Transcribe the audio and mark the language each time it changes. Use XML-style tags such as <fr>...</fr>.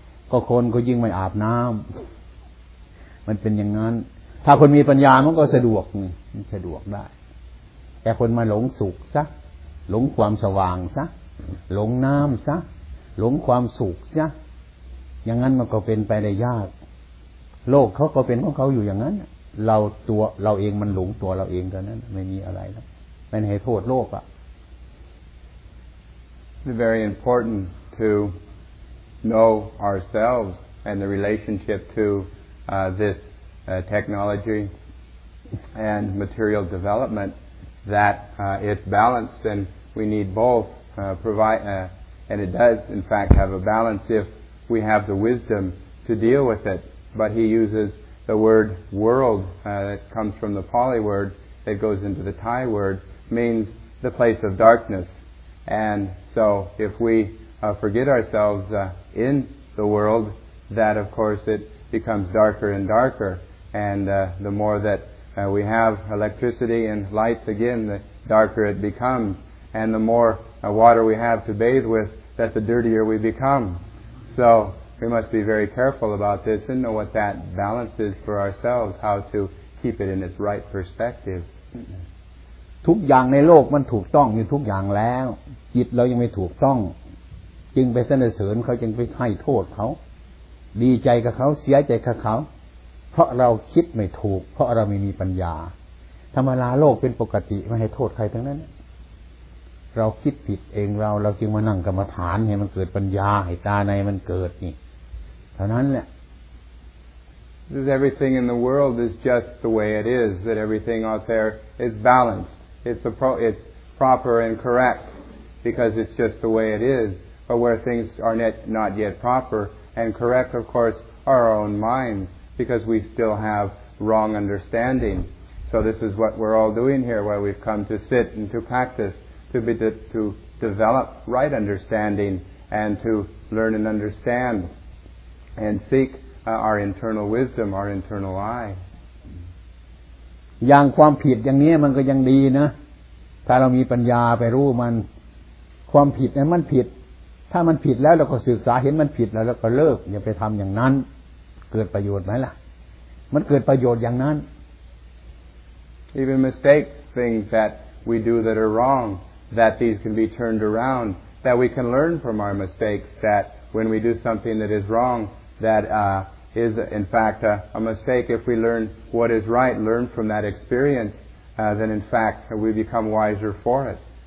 <th>ก็คนก็ยิ่งไม่อาบน้ำมันเป็นอย่างนั้นถ้าคนมีปัญญามันก็สะดวกสะดวกได้แต่คนมาหลงสุขซะหลงความสว่างซะหลงน้ำซะหลงความสุขซะอย่างนั้นมันก็เป็นไปได้ยากโลกเขาก็เป็นของเขาอยู่อย่างนั้นเราตัวเราเองมันหลงตัวเราเองกันนั้นไม่มีอะไรแล้วมันให้โทษโลกอะ</th> <en>It's very important to know ourselves and the relationship to this technology and material development that it's balanced and we need both provide and it does in fact have a balance if we have the wisdom to deal with itBut he uses the word world that comes from the Pali word that goes into the Thai word means the place of darkness. And so if we forget ourselves in the world, that of course it becomes darker and darker. And the more that we have electricity and lights again, the darker it becomes. And the more water we have to bathe with, that the dirtier we become. So,We must be very careful about this and know what that balance is for ourselves, how to keep it in its right perspective.</en> <th>ทุกอย่างในโลกมันถูกต้องอยู่ทุกอย่างแล้วจิตเรายังไม่ถูกต้องจึงไปสรรเสริญเขาจึงไปให้โทษเขาดีใจกับเขาเสียใจกับเขาเพราะเราคิดไม่ถูกเพราะเราไม่มีปัญญาธรรมดาโลกเป็นปกติไม่ให้โทษใครทั้งนั้นเราคิดผิดเองเราจึงมานั่งกรรมฐานให้มันเกิดปัญญาให้ตาในมันเกิดนี่เท่านั้นแหละ</th> <en>This everything in the world is just the way it is that everything out there is balanced it's proper and correct because it's just the way it is but where things are not yet proper and correct of course are our own minds because we still have wrong understanding so this is what we're all doing here where we've come to sit and to practiceto develop right understanding and to learn and understand and seek our internal wisdom our internal eye</en> <th>อย่างความผิดอย่างนี้มันก็ยังดีนะถ้าเรามีปัญญาไปรู้มันความผิดเนี่ยมันผิดถ้ามันผิดแล้วเราก็ศึกษาเห็นมันผิดแล้วเราก็เลิกอย่าไปทําอย่างนั้นเกิดประโยชน์มั้ยล่ะมันเกิดประโยชน์อย่างนั้น</th> <en>even mistakes things thatWe do that are wrong, that these can be turned around, that we can learn from our mistakes, that when we do something that is wrong, that is in fact a mistake. If we learn what is right, learn from that experience, then in fact we become wiser for it.</en>